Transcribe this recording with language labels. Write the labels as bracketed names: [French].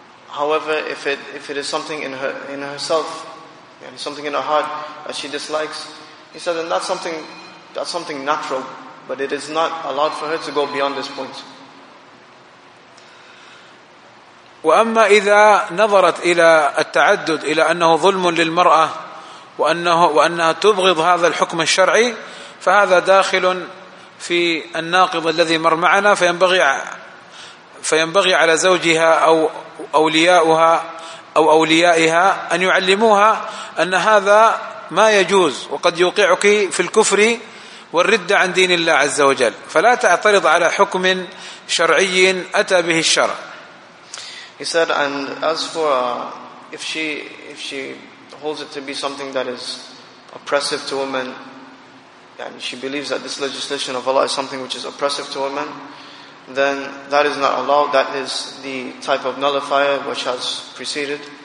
[English] However, if it is something in herself, something in her heart that she dislikes, he said then that's something natural, but it is not allowed for her to go beyond this point. [Arabic] وأما إذا نظرت إلى التعدد إلى أنه ظلم للمرأة وأنها تبغض هذا الحكم الشرعي، فهذا داخل في الناقض الذي مر معنا، فينبغي على زوجها أو أولياؤها أو أوليائها أن يعلموها أن هذا ما يجوز، وقد يوقعك في الكفر والردة عن دين الله عز وجل، فلا تعترض على حكم شرعي أتى به الشرع. [English] He said, and as for if she holds it to be something that is oppressive to women, and she believes that this legislation of Allah is something which is oppressive to women, then that is not allowed. That is the type of nullifier which has preceded.